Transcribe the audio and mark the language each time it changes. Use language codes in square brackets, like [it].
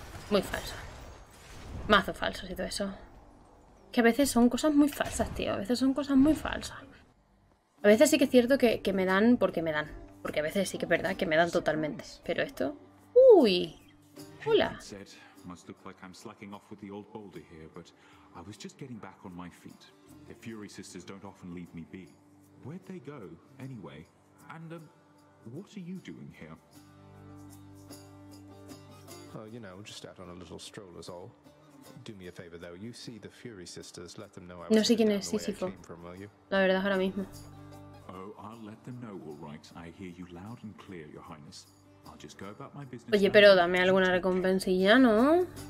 [es] Muy falso. Mazo falso ha sido eso. Que a veces son cosas muy falsas, tío. A veces son cosas muy falsas. A veces sí que es cierto que me dan porque me dan. Porque a veces sí que es verdad que me dan totalmente. Pero esto... ¡Uy! ¡Hola! [en] Must look like I'm slacking off with the old boulder here, but I was just getting back on my feet. The Fury sisters don't often leave me be. Where'd they go, anyway? And, what are you doing here? Oh, you know, just out on a little stroll is all. Do me a favor, though. You see the Fury sisters, let them know I was going down the way I came from, will you? [es] La verdad, ahora mismo. [en] Oh, I'll let them know, all right. I hear you loud and clear, Your Highness. [es] Oye, pero dame alguna recompensa y ya, ¿no?